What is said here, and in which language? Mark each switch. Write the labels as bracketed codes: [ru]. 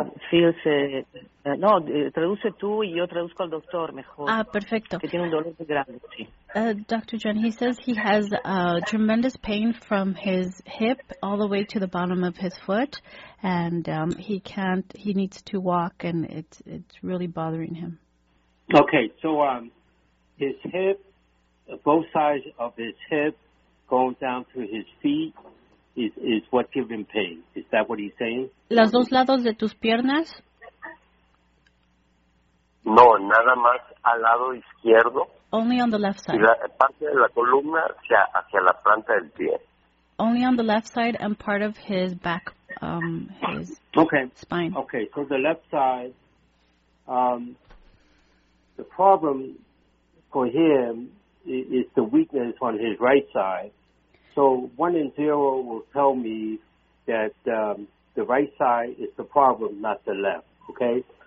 [es] Feels no, traduce tú y yo traduzco al doctor mejor. Ah, perfecto. Que tiene un dolor muy grande, sí. [en] Dr. Yuen, he says he has tremendous pain from his hip all the way to the bottom of his foot, and he needs to walk, and it's really bothering him. Okay, so his hip, both sides of his hip going down to his feet is what's giving pain. Is that what he's saying? [es] ¿Los dos lados de tus piernas? No, nada más al lado izquierdo. [en] Only on the left side. [es] Y la parte de la columna hacia la planta del pie. [en] Only on the left side and part of his back, his okay. spine. Okay, so the left side, the problem for him is the weakness on his right side. So 1 and 0 will tell me that the right side is the problem, not the left, okay?